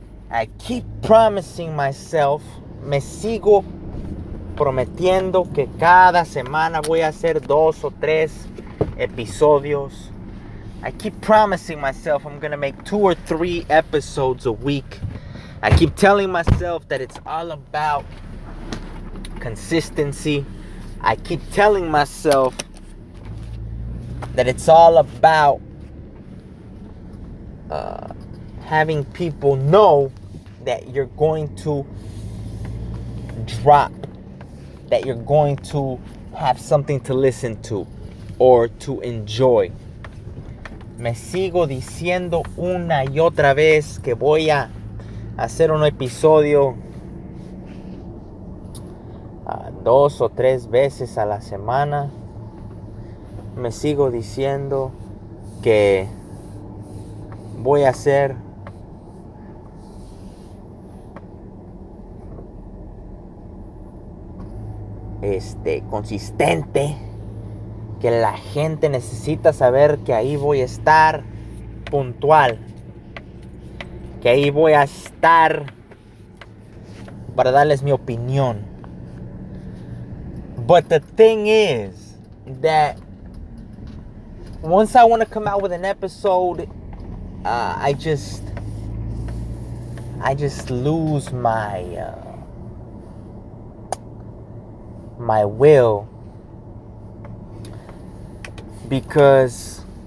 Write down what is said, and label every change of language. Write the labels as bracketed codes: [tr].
[es] I keep promising myself, me sigo prometiendo que cada semana voy a hacer dos o tres episodios. [en] I keep promising myself I'm gonna make two or three episodes a week. I keep telling myself that it's all about consistency. I keep telling myself that it's all about having people know that you're going to drop, that you're going to have something to listen to or to enjoy. [es] Me sigo diciendo una y otra vez que voy a hacer un episodio dos o tres veces a la semana. Me sigo diciendo que voy a hacer consistente, que la gente necesita saber que ahí voy a estar puntual, que ahí voy a estar para darles mi opinión. [en] But the thing is that once I want to come out with an episode, I just lose my my will, because